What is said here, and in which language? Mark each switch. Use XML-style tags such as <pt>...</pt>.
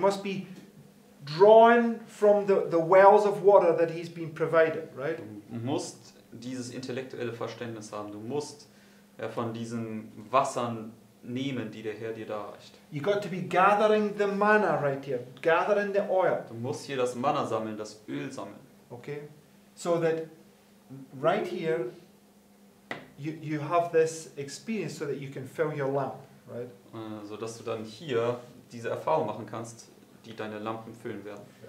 <en>You must be drawn from the wells of water that he's been provided, right?</en> <de>Du musst dieses intellektuelle Verständnis haben. Du musst von diesen Wassern nehmen, die der Herr dir da reicht.</de> <en>You got to be gathering the manna right here. Gathering the oil.</en> <de>Du musst hier das Manna sammeln, das Öl sammeln.</de> <en>Okay. So that right here you have this experience so that you can fill your lamp, right?</en> <de>So dass du dann hier diese Erfahrung machen kannst, die deine Lampen füllen werden.</de>